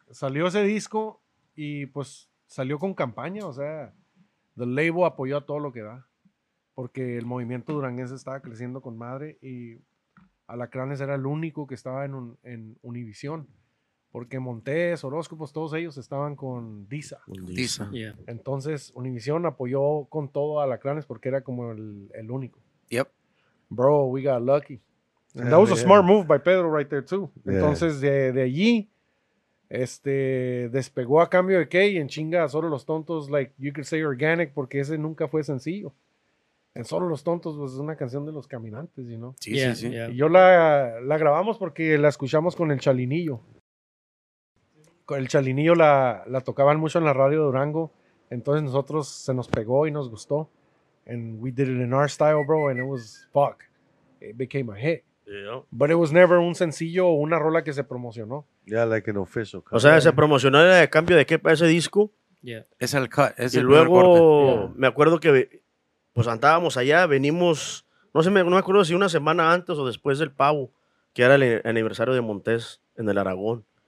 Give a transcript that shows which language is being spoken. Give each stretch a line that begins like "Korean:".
Spanish: Salió ese disco y pues salió con campaña, o sea, The Label apoyó a todo lo que da, porque el movimiento duranguense estaba creciendo con madre y Alacranes era el único que estaba en Univisión, porque Montes, Orozco, pues todos ellos estaban con DISA. Entonces Univisión apoyó con todo a Alacranes porque era como el único.
English: Yep. Bro, we got lucky. And that was a smart move by Pedro right there too.
Spanish: Yeah. Entonces de allí... despegó A Cambio de Qué y en chinga Solo Los Tontos,
English: like you could say organic,
Spanish: porque ese nunca fue sencillo. En Solo Los Tontos, pues es una canción de Los Caminantes,
English: you know?
Spanish: Sí. Y yo la grabamos porque la escuchamos con el Chalinillo. Con el Chalinillo la tocaban mucho en la radio de Durango, entonces nosotros se nos pegó y nos gustó.
English: and we did it in our style, bro, and it was, fuck, it became a hit. Yeah. But it was never
Spanish: un sencillo o una rola que se promocionó.
English: Yeah, like an official
Spanish: cut. O sea, se promocionó el cambio de qué para ese disco.
English: Yeah.
Spanish: Es el cut. Es y el luego me acuerdo que pues andábamos allá, venimos, no sé, no me acuerdo si una semana antes o después del pavo, que era el aniversario de Montes en el Aragón.